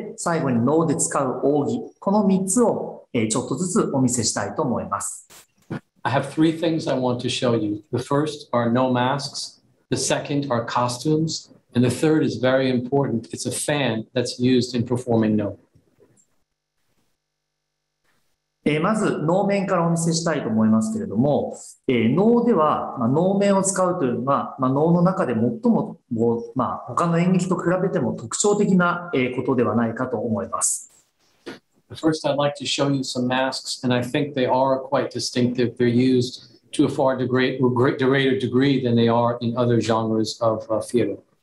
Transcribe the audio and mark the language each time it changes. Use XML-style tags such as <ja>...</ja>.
<ja>一つはまず能面、そしてもう一つは能装束、そして最後に能で使う扇。この3つをちょっとずつお見せしたいと思います。</ja> <en>I have three things I want to show you. The first are no masks, the second are costumes, and the third is very important. It's a fan that's used in performing no.</en> <ja>まず能面からお見せしたいと思いますけれども、能では能面を使うというのは能の中で最も他の演劇と比べても特徴的なことではないかと思います。</ja> <en>First, I'd like to show you some masks, and I think they are quite distinctive. They're used to a far greater degree than they are in other genres of theater.</en>